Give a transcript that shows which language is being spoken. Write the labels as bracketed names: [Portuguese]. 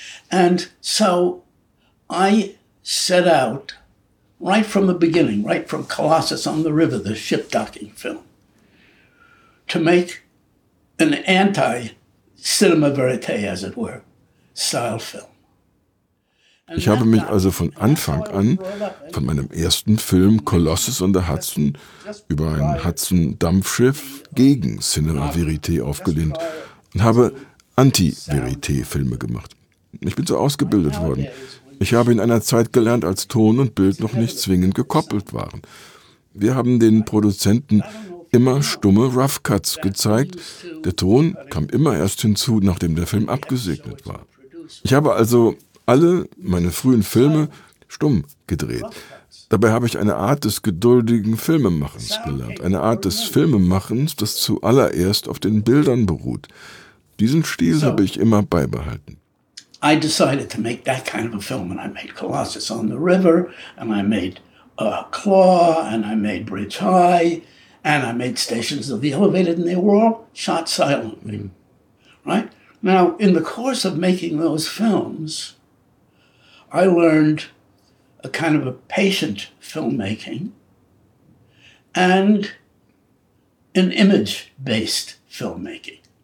[English] And so I set out right from the beginning, right from Colossus on the River, the ship docking film, to make an anti-cinema verite, as it were, style film. [German] Ich habe mich also von Anfang an, von meinem ersten Film Colossus on the Hudson, über ein Hudson-Dampfschiff gegen Cinema Verité aufgelehnt und habe Anti-Verité-Filme gemacht. Ich bin so ausgebildet worden. Ich habe in einer Zeit gelernt, als Ton und Bild noch nicht zwingend gekoppelt waren. Wir haben den Produzenten immer stumme Rough Cuts gezeigt. Der Ton kam immer erst hinzu, nachdem der Film abgesegnet war. Ich habe also alle meine frühen Filme stumm gedreht. Dabei habe ich eine Art des geduldigen Filmemachens gelernt. Eine Art des Filmemachens, das zuallererst auf den Bildern beruht. Diesen Stil habe ich immer beibehalten. [English] I decided to make that kind of a film, and I made Colossus on the River, and I made Claw, and I made Bridge High, and I made Stations of the Elevated, and they were all shot silently. Right? Now, in the course of making those films, I learned a kind of a patient filmmaking and an image-based filmmaking.